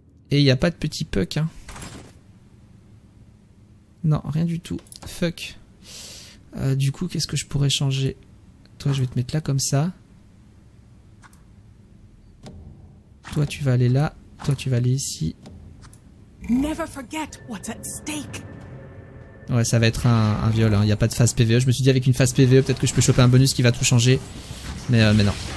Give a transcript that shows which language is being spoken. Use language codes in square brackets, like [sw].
[fr] Et il n'y a pas de petit puck. Hein. Non, rien du tout. Fuck. Du coup, qu'est-ce que je pourrais changer? toi je vais te mettre là comme ça. Toi tu vas aller là, toi tu vas aller ici. [en] Never forget what's at stake. [fr] Ouais, ça va être un viol, hein. Y a pas de phase PVE. Je me suis dit avec une phase PVE peut-être que je peux choper un bonus qui va tout changer. Mais non.